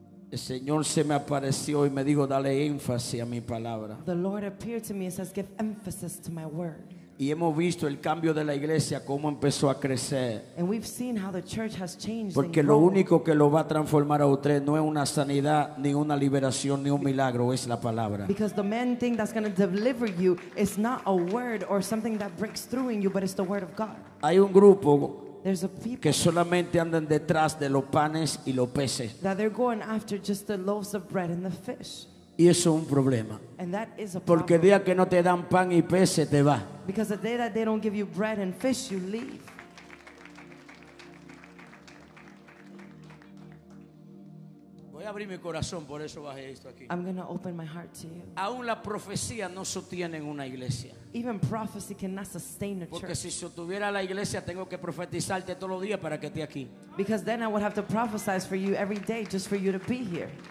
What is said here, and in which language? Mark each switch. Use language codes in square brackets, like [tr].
[es] El Señor se me apareció y me dijo, dale énfasis a mi palabra. [en] The Lord appeared to me and says, give emphasis to my word. [es] Y hemos visto el cambio de la iglesia, cómo empezó a crecer. [en] And we've seen how the church has changed. [es] Porque lo único que lo va a transformar a usted no es una sanidad, ni una liberación, ni un milagro, es la palabra. [en] Because the main thing that's going to deliver you is not a word or something that breaks through in you, but it's the word of God. [es] Hay un grupo que solamente andan detrás de los panes y los peces. [en] That they're going after just the loaves of bread and the fish. [es] Y eso es un problema. [en] And that is a problem. [es] Porque el día que no te dan pan y peces, te va. [en] Because the day that they don't give you bread and fish, you leave. [es] Voy a abrir mi corazón, por eso bajé esto aquí. [en] I'm going to open my heart to you. [es] Aún la profecía no sostiene una iglesia. [en] Even prophecy cannot sustain a church. [es] Porque si sostuviera la iglesia, tengo que profetizarte todos los días para que esté aquí. [en] Because then I would have to prophesize for you every day just for you to be here.